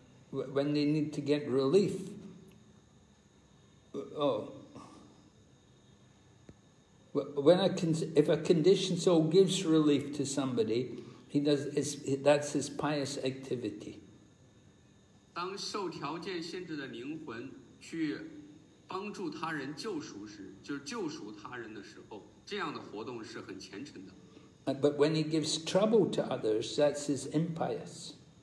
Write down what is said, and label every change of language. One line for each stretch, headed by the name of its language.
English: When they need to get relief, if a conditioned soul gives relief to somebody, that's his pious activity.
Chinese: 当受条件限制的灵魂去帮助他人救赎时，就是救赎他人的时候，这样的活动是很虔诚的。
English: But when he gives trouble to others, that's his impious.